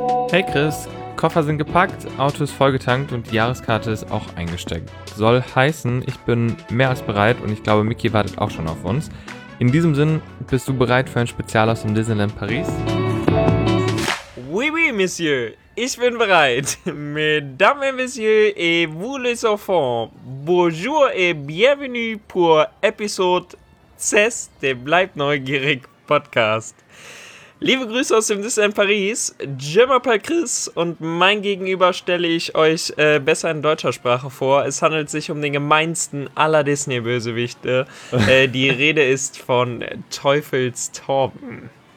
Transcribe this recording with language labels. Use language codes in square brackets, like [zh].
[de] Hey Chris, Koffer sind gepackt, Auto ist vollgetankt und die Jahreskarte ist auch eingesteckt. Soll heißen, ich bin mehr als bereit und ich glaube, Mickey wartet auch schon auf uns. In diesem Sinn, bist du bereit für ein Spezial aus dem Disneyland Paris? [fr] Oui, oui, Monsieur, [de] ich bin bereit. [fr] Mesdames et Messieurs et vous les enfants, bonjour et bienvenue pour Episode 6 des Bleibt Neugierig Podcast. [de] Liebe Grüße aus dem Disneyland Paris, [fr] je m'appelle Chris [de] und mein Gegenüber stelle ich euch besser in deutscher Sprache vor. Es handelt sich um den gemeinsten aller Disney-Bösewichte. Die Rede ist von Teufelstorben.